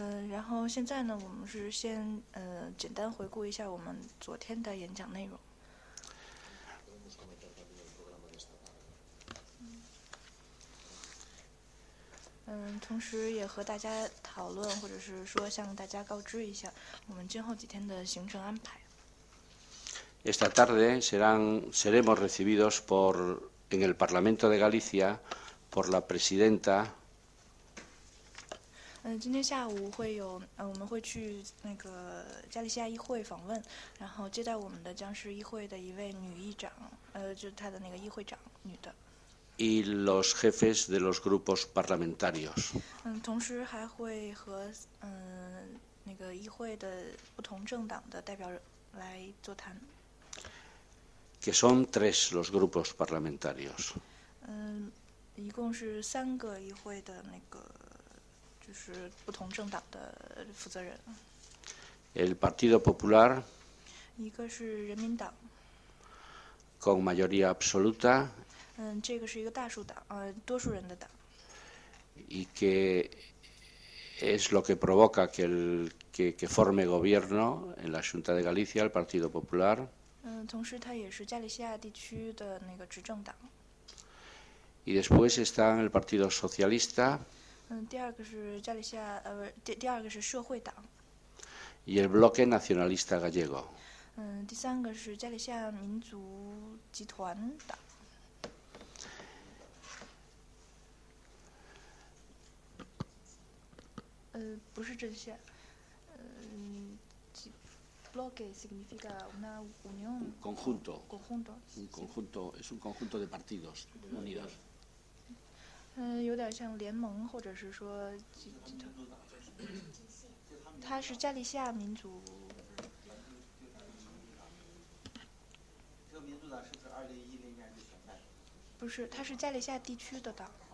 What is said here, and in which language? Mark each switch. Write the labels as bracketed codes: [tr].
[zh] 然后现在呢，我们是先简单回顾一下我们昨天的演讲内容。同时也和大家讨论，或者是说向大家告知一下我们今后几天的行程安排。 [es] Esta tarde seremos recibidos en el Parlamento de Galicia por la presidenta. [zh] 今天下午会有我们会去那个加利西亚议会访问，然后接待我们的将是议会的一位女议长，就是她的那个议会长，女的。 [es] Y los jefes de los grupos parlamentarios. [zh] 同时还会和那个议会的不同政党的代表来座谈。 [es] Que son tres los grupos parlamentarios. [zh] 一共是三个议会的那个就是不同政党的负责人。 [es] El Partido Popular. [zh] 一个是人民党。 [es] Con mayoría absoluta. [zh] 这个是一个大数党，多数人的党。 [es] Y que es lo que provoca que el que forme gobierno en la Junta de Galicia, el Partido Popular. [zh] 同时它也是加利西亚地区的那个执政党。 [es] Y después está el Partido Socialista. [zh] 第二个是加利西亚，第二个是社会党。 [es] Y el Bloque Nacionalista Gallego. [zh] 第三个是加利西亚民族集团党。不是阵线， [es] bloque significa una unión. Un conjunto. Conjunto. Un conjunto. Es un conjunto de partidos unidos. [zh] 有点像联盟，或者是说它是加利西亚民族。这个民主党是不是2010年？不是，它是加利西亚地区的党。